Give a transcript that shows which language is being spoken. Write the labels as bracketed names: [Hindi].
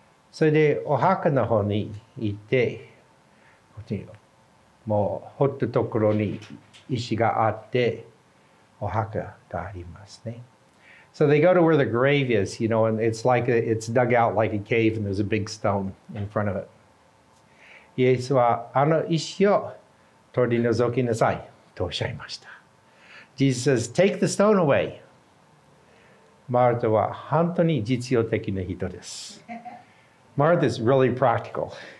[Japanese] それでお墓の方に行って、もう掘ったところに石があって、お墓がありますね。 [English] So they go to where the grave is, you know, and it's like it's dug out like a cave and there's a big stone in front of it. [Japanese] イエスはあの石を取り除きなさいとおっしゃいました。 [English] Jesus says, take the stone away. [Japanese] マルタは本当に実用的な人です。 [English] マルタ is really practical.